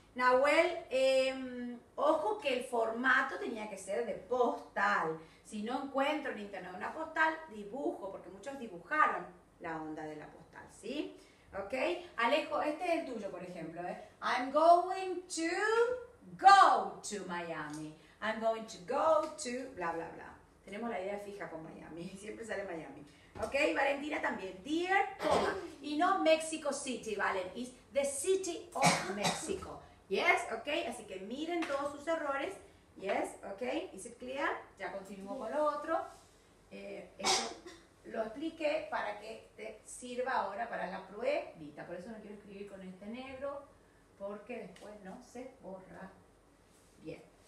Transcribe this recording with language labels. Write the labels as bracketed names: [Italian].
[Spanish] Nahuel, ojo que el formato tenía que ser de postal. Si no encuentro en internet una postal, dibujo, porque muchos dibujaron la onda de la postal, ¿sí? Ok, Alejo, este es el tuyo, por ejemplo, ¿eh? [English] I'm going to go to Miami. I'm going to go to, [Spanish] bla, bla, bla. Tenemos la idea fija con Miami, siempre sale Miami. [English] Ok, Valentina también, dear, coma. Y no Mexico City, Valen, it's the city of Mexico. Yes, ok, [Spanish] así que miren todos sus errores. [English] Yes, ok, is it clear? [Spanish] Ya continúo con lo otro. Esto lo expliqué para que te sirva ahora para la pruebita. Por eso no quiero escribir con este negro, porque después no se borra bien.